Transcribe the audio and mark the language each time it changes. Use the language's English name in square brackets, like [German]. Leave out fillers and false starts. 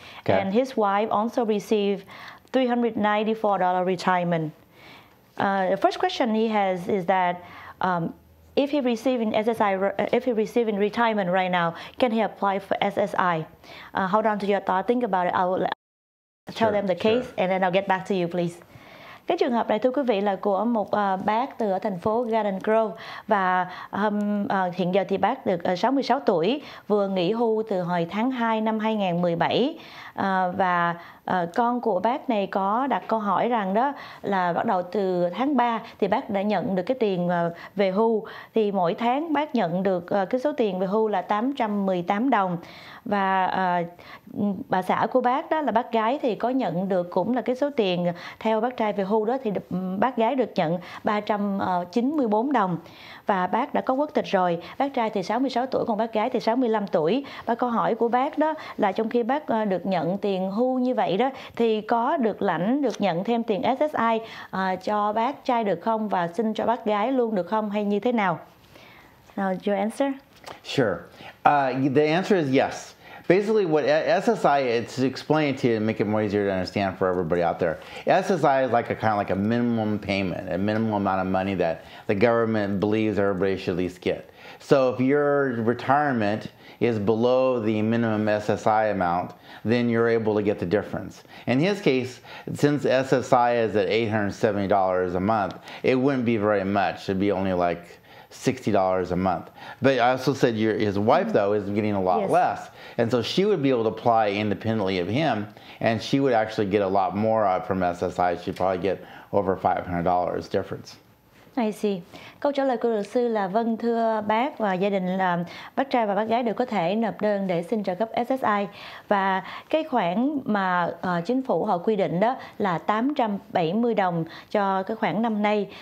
[English] Okay. And his wife also received $394 retirement. The first question he has is that if he receiving SSI, if he receiving retirement right now, can he apply for SSI? Hold on to your thought. Think about it. I will tell them the case, and then I'll get back to you, please. [Vietnamese] Cái trường hợp này thưa quý vị là của một bác từ ở thành phố Garden Grove và hiện giờ thì bác được 66 tuổi, vừa nghỉ hưu từ hồi tháng 2 năm 2017 và con của bác này có đặt câu hỏi rằng đó là bắt đầu từ tháng 3 thì bác đã nhận được cái tiền về hưu thì mỗi tháng bác nhận được cái số tiền về hưu là 818 đồng và bà xã của bác đó là bác gái thì có nhận được cũng là cái số tiền theo bác trai về hưu đó thì bác gái được nhận 394 đồng và bác đã có quốc tịch rồi, bác trai thì 66 tuổi còn bác gái thì 65 tuổi. Và câu hỏi của bác đó là trong khi bác được nhận tiền hưu như vậy đó thì có được lãnh được nhận thêm tiền SSI cho bác trai được không và xin cho bác gái luôn được không hay như thế nào? [English] Now your answer? Sure. The answer is yes. Basically, what SSI, it's explained to you to make it more easier to understand for everybody out there. SSI is like a kind of like a minimum payment, a minimum amount of money that the government believes everybody should at least get. So if your retirement is below the minimum SSI amount, then you're able to get the difference. In his case, since SSI is at $870 a month, it wouldn't be very much. It'd be only like $60 a month. But I also said his wife, though, is getting a lot less. And so she would be able to apply independently of him, and she would actually get a lot more from SSI. She'd probably get over $500 difference. I see. [Vietnamese] Câu trả lời của luật sư là vâng, thưa bác và gia đình, là bác trai và bác gái đều có thể nộp đơn để xin trợ cấp SSI. Và cái khoản mà chính phủ họ quy định đó là 870 đồng cho cái khoản năm nay.